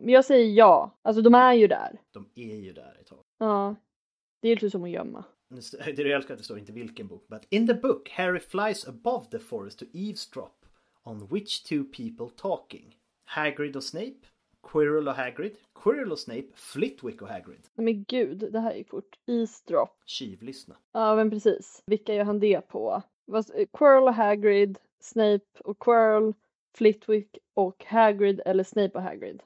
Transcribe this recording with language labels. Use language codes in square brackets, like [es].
[sv] Men jag säger ja, alltså de är ju där. De är ju där ett tag. Ja, det är ju som att gömma. Det är det jag älskar, att det står inte vilken bok. [en] But in the book, Harry flies above the forest to eavesdrop on which two people talking. [sv] Hagrid och Snape, Quirrell och Hagrid. Quirrell och Snape, Flitwick och Hagrid. Men gud, det här gick fort. [en] Eavesdrop. [sv] Kivlyssna. Ja, men precis. Vilka gör han det på? Quirrell och Hagrid, Snape och Quirrell, Flitwick och Hagrid eller Snape och Hagrid.